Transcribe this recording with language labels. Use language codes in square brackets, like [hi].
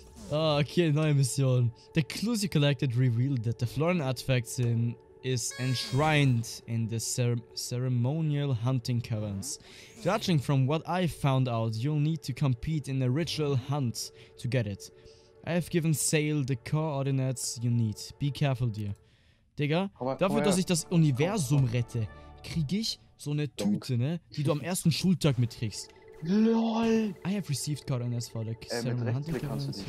[en] Ah, okay, [de] neue Mission. [en] The clues you collected revealed that the Florin Artifact is enshrined in the ceremonial hunting caverns. Judging from what I found out, you'll need to compete in a ritual hunt to get it. I have given Sale the coordinates you need. Be careful, dear. [de] Digga, dafür, dass ich das Universum rette, kriege ich so eine Tüte, ne, die du am ersten Schultag mitkriegst. [en] LOL! I have received coordinates for the ceremonial hunting caverns.